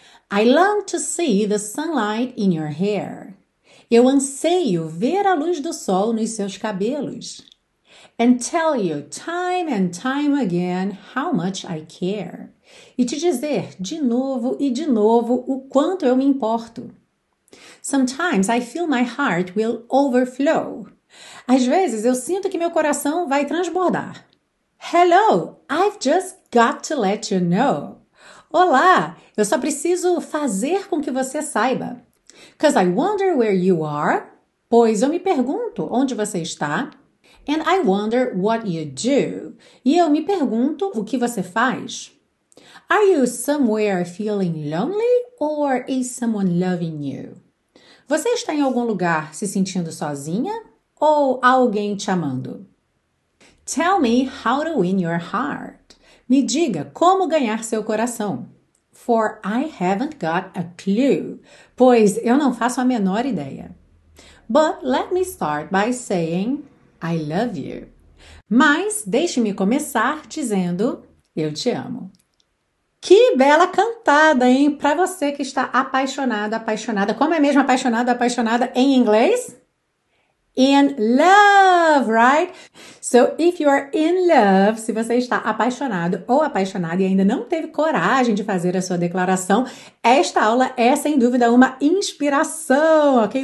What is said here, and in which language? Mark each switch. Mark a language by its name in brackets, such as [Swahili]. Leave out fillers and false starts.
[English] I long to see the sunlight in your hair. [Portuguese] Eu anseio ver a luz do sol nos seus cabelos. [English] And tell you time and time again how much I care. [Portuguese] E te dizer de novo e de novo o quanto eu me importo. [English] Sometimes I feel my heart will overflow. [Portuguese] Às vezes eu sinto que meu coração vai transbordar. [English] Hello, I've just got to let you know. [Portuguese] Olá, eu só preciso fazer com que você saiba. [English] 'Cause I wonder where you are. [Portuguese] Pois eu me pergunto onde você está. [English] And I wonder what you do. [Portuguese] E eu me pergunto o que você faz. [English] Are you somewhere feeling lonely or is someone loving you? [Portuguese] Você está em algum lugar se sentindo sozinha ou alguém te amando? [English] Tell me how to win your heart. [Portuguese] Me diga como ganhar seu coração. [English] For I haven't got a clue. [Portuguese] Pois eu não faço a menor ideia. [English] But let me start by saying I love you. [Portuguese] Mas deixe-me começar dizendo eu te amo. Que bela cantada, hein? Para você que está apaixonada, apaixonada. Como é mesmo apaixonada, apaixonada em inglês? [English] in love, right? So if you are in love, [Portuguese] se você está apaixonado ou apaixonada e ainda não teve coragem de fazer a sua declaração, esta aula é sem dúvida uma inspiração, ok?